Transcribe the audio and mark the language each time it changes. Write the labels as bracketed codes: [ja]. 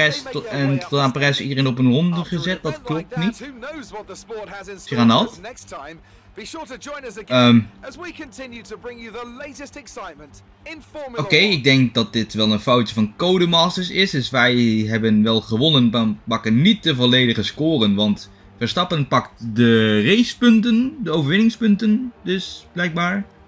[nl] Tot aan Perez iedereen op een ronde gezet, dat klopt niet. Granat. [en] Be sure to join us again as we continue to bring you the latest excitement in Formula 1. [nl] Oké, ik denk dat dit wel een foutje van Codemasters is. Dus wij hebben wel gewonnen, maar pakken niet de volledige scoren. Want Verstappen pakt de racepunten, de overwinningspunten dus, blijkbaar.